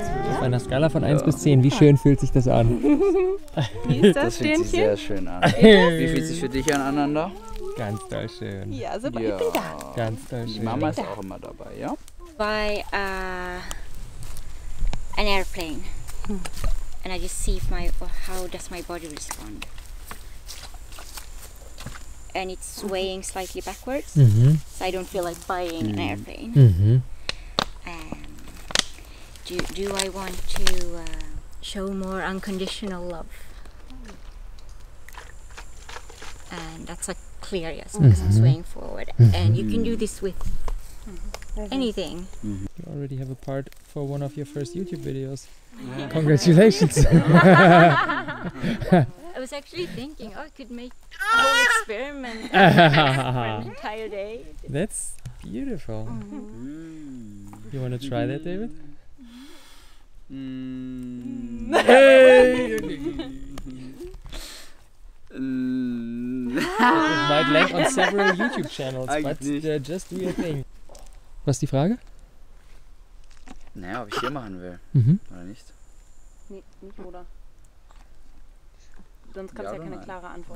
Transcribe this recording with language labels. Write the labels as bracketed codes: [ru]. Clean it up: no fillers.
[de] Auf einer Skala von 1 bis 10, wie schön fühlt sich das an? Wie ist das, das fühlt sich sehr schön an. Wie fühlt sich für dich aneinander? Ganz doll schön. Ja, super, ja. Ich bin da. Ganz doll schön. Die Mama ist auch immer dabei, ja? [en] By an airplane. And I just see if my, how does my body respond. And it's swaying slightly backwards. Mm-hmm. So I don't feel like buying an airplane. Do I want to show more unconditional love? And that's a clear yes, because I'm swaying forward. And you can do this with anything. Mm-hmm. You already have a part for one of your first YouTube videos. Yeah. Congratulations! I was actually thinking, oh, I could make a whole experiment for an entire day. That's beautiful. Mm-hmm. You want to try that, David? It might land on several YouTube channels, but just do your thing. [de] Was ist die Frage? Naja, ob ich hier machen will. Mhm. Oder nicht? Nee, nicht oder. Sonst gab es ja keine klare Antwort.